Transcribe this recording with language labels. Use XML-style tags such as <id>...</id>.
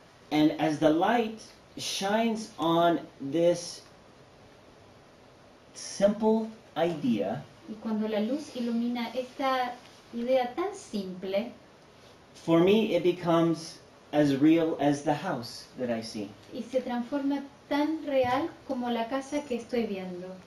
<en>And as the light shines on this simple idea,</en> <es>y cuando la luz ilumina esta idea tan simple,</es> <en>for me it becomes as real as the house that I see.</en> <es>Y se transforma tan real como la casa que estoy viendo.</es>